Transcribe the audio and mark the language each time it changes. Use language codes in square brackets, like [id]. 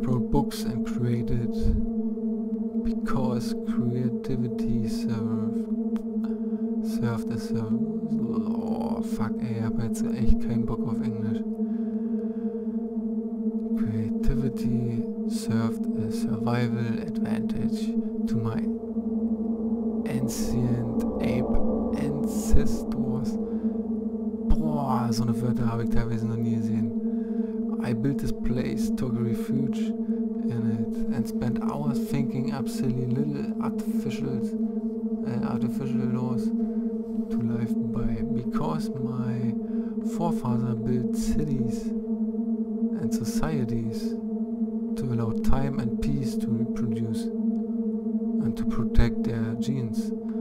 [en] Books and created because creativity served as a... [de] Oh fuck ey, ich hab jetzt echt keinen Bock auf Englisch. [en] Creativity served a survival advantage to my ancient ape ancestors. [de] Boah, so eine Wörter habe ich teilweise noch nie gesehen. [en] I built this place, took refuge in it, and spent hours thinking up silly little artificial laws to live by. Because my forefather built cities and societies to allow time and peace to reproduce and to protect their genes.